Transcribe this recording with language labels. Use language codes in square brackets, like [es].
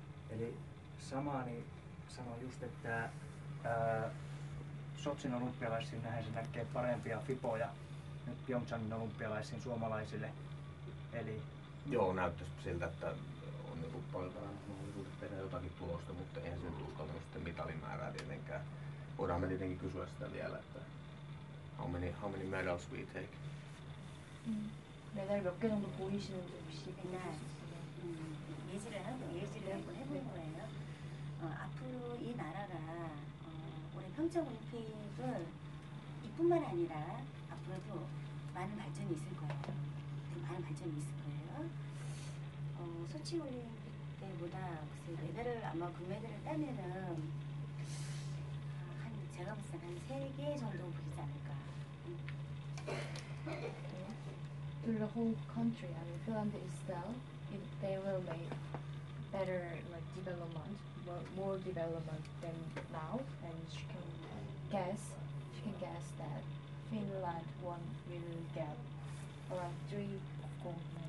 [fi] Eli samaani sanoi just, että Sotsin olympialaisiin nähden se näkee parempia fipoja Pyeongchangin olympialaisiin suomalaisille. Eli joo, näyttäisi siltä, että on joku paljon parempi mahdollisuutta tehdä jotakin tulosta, mutta eihän sen uskaltanut sitten mitalimäärää tietenkään. Voidaan me tietenkin kysyä sitä vielä, että [en] how many medals we take? Mm. [ko] Medal 몇 개 정도 보이시는지 혹시 그냥 예시를 한번 해보는 거예요. 앞으로 이 나라가 올해 평창 올림픽은 이뿐만 아니라 앞으로도 많은 발전이 있을 거예요. 많은 발전이 있을 거예요. 소치 올림픽 때보다 글쎄 메달을 아마 금메달을 따면은 한 제가 봤을 때 한 세 개 정도 보이지 않을까. [en] Through the whole country, I mean, Finland itself, they will make better like development, more development than now, and she can guess that Finland one will get around 3 gold medals.